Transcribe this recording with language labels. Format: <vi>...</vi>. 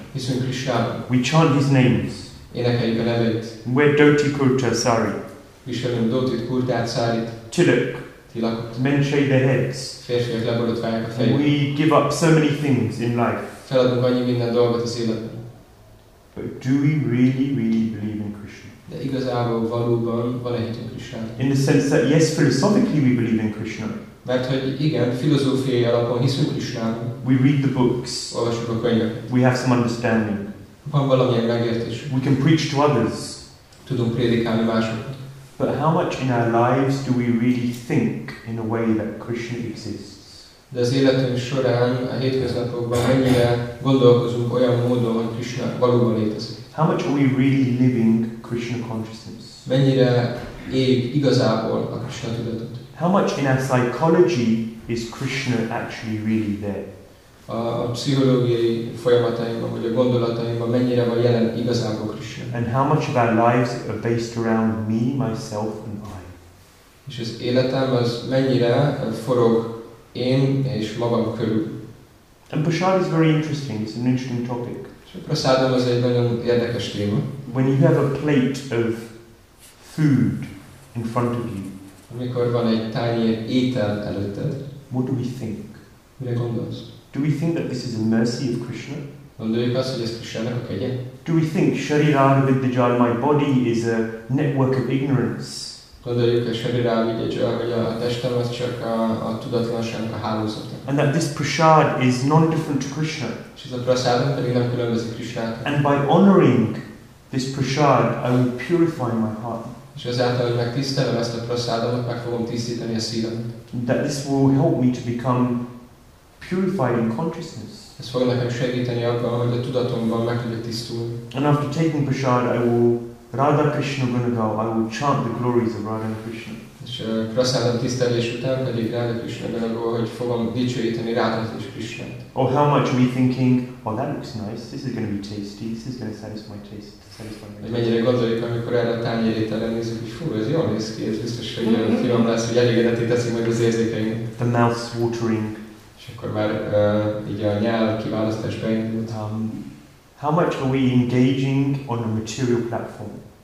<hu>Hiszünk Krisztusban.</hu> <en>We chant his names.</en> <hu>Énekeljük a nevét.</hu> <en>Wear dhoti kurta sari.</en> <hu>Viselünk dhoti kurtát sarit.</hu> <en>Tilak.</en> <hu>Tilak.</hu> <en>Men shave their heads.</en> <hu>Férfiak leborotválják a fejüket.</hu> <en>We give up so many things in life.</en> <hu>Feladunk annyi minden dolgot az életben.</hu> <en>But do we really, really believe in Krishna?</en> <hu>De igazából valóban van-e hitünk Krisztusban?</hu> <en>In the sense that yes, philosophically we believe in Krishna.</en> <hu>Mert hogy igen, filozófiai alapon hiszünk Krisztusban.</hu> <en>We read the books.</en> <hu>Olvasjuk a könyveket.</hu> <en>We have some understanding.</en> <hu>Van valamilyen megértés.</hu> <en>We can preach to others.</en> <hu>Tudunk prédikálni másoknak.</hu> <en>But how much in our lives do we really think in a way that Krishna exists?</en> <hu>De az életünk során, a hétköznapokban mennyire gondolkozunk olyan módon, hogy Krishna valóban létezik?</hu> <en>How much are we really living Krishna consciousness?</en> <hu>Mennyire éljük igazából a Krishna tudatot?</hu> <en>How much in our psychology is Krishna actually really there?</en> <hu>A pszichológiai folyamatainkban, vagy a gondolatainkban mennyire van jelen igazából Krishna?</hu> <en>And how much of our lives are based around me, myself and I?</en> <hu>És az életem az mennyire forog én és magam körül?</hu> <en>And prasad is very interesting. It's an interesting topic.</en> <hu>Prasad az egy nagyon érdekes téma.</hu> <en>When you have a plate of food in front of you,</en> <hu>amikor van egy tányér étel előtted,</hu> <en>what do we think?</en> <hu>Mire gondolsz?</hu> <en>Do we think that this is a mercy of Krishna?</en> <hu>Gondoljuk azt, hogy ez Krisnának a kegye?</hu> <en>Do we think Sharira Vidyajal, my body, is a network of ignorance?</en> <hu>Gondoljuk, hogy Sharira Vidyajal, hogy a testem az csak a tudatlanságnak a hálózata.</hu> <en>And that this prasad is non-different to Krishna.</en> <hu>És ez a prasádom pedig nem különbözik Krisnától.</hu> <en>And by honoring this prasad, I will purify my heart.</en> <hu>És ezáltal, hogy megtisztelem ezt a prasádomat, meg fogom tisztítani a szívemet.</hu> <en>That this will help me to become purified in consciousness.</en> <hu>Ez fog nekem segíteni abban, hogy a tudatomban meg tudja tisztulni.</hu> <en>And after taking prasad, I will Radha Krishna Gunagau, I will chant the glories of Radha Krishna.</en> <hu>És a prasádom tisztelés után pedig Radha Krishna Gunagau, hogy fogom dicsőíteni Radha és Krishnát.</hu> <en>Or how much are we thinking, oh that looks nice, this is going to be tasty, this is going to satisfy my taste.</en> <hu>Hogy mennyire gondoljuk, amikor erre a tányérételre nézzük, hogy fú, ez jól néz ki, ez biztos, hogy ilyen finom lesz, hogy elégedetté teszik meg az érzékeinket.</hu> <en>The mouth watering.</en> <hu>És akkor már így a nyál kiválasztás beindult.</hu> <en>How much are we engaging on a material platform?</en>